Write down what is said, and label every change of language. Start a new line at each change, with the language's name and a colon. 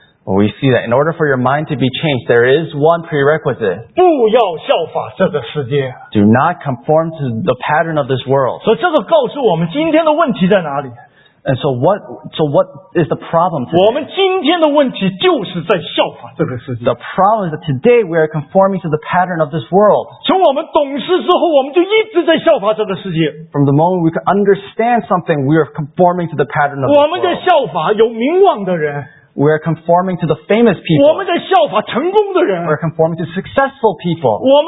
English: we see that in order for your mind to be changed, there is one prerequisite.
Chinese: 不要效法这个世界。
English: Do not conform to the pattern of this world.
Chinese: 所以这个告诉我们今天的问题在哪里。
English: And so what is the problem today?
Chinese: 我们今天的问题就是在效法这个世界。
English: The problem is that today we are conforming to the pattern of this world.
Chinese: 从我们懂事之后，我们就一直在效法这个世界。
English: From the moment we can understand something, we are conforming to the pattern of this world.
Chinese: 我们在效法有名望的人。
English: We are conforming to the famous people.
Chinese: 我们在效法成功的人。
English: We are conforming to successful people.